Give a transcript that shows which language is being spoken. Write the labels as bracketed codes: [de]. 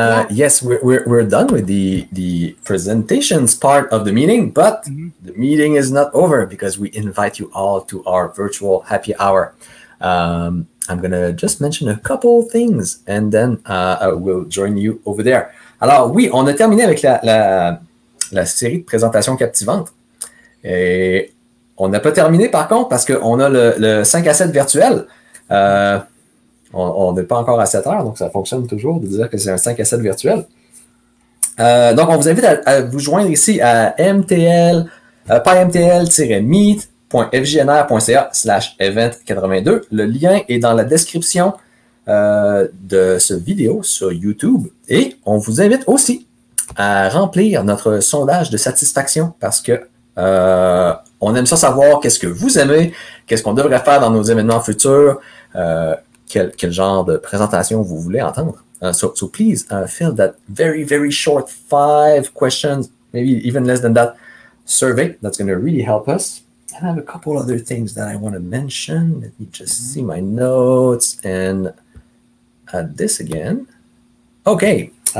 [en] Yes, we're done with the presentations part of the meeting, but the meeting is not over because we invite you all to our virtual happy hour. I'm gonna just mention a couple things and then I will join you over there. [fr] Alors oui, on a terminé avec la série de présentations captivantes. Et on n'a pas terminé par contre parce qu'on a le 5 à 7 virtuel. On n'est pas encore à 7 heures, donc ça fonctionne toujours de dire que c'est un 5 à 7 virtuel. Donc, on vous invite à vous joindre ici à pymtl-meet.fjnr.ca/event82. Le lien est dans la description de ce vidéo sur YouTube. Et on vous invite aussi à remplir notre sondage de satisfaction parce que on aime ça savoir qu'est-ce que vous aimez, qu'est-ce qu'on devrait faire dans nos événements futurs, quel genre de présentation vous voulez entendre. [en] So please fill that very, very short 5 questions, maybe even less than that, survey. That's going to really help us. And I have a couple other things that I want to mention. Let me just see my notes and add this again. Okay.